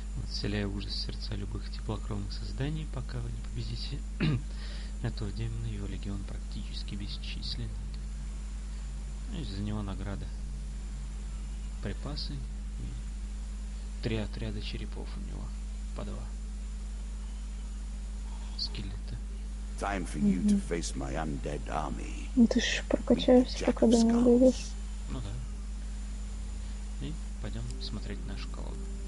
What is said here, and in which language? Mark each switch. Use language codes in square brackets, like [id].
[ru] Вцеляя ужас в сердца любых теплокровных созданий, пока вы не победите этого демона, его легион практически бесчислен. Из-за него награда. Припасы. И три отряда черепов у него. По два. Скелета. [en] Time for you to face my undead army. [ru] Ну ты ж прокачаешься, пока до него дойдешь. Ну да. И пойдем смотреть нашу колоду.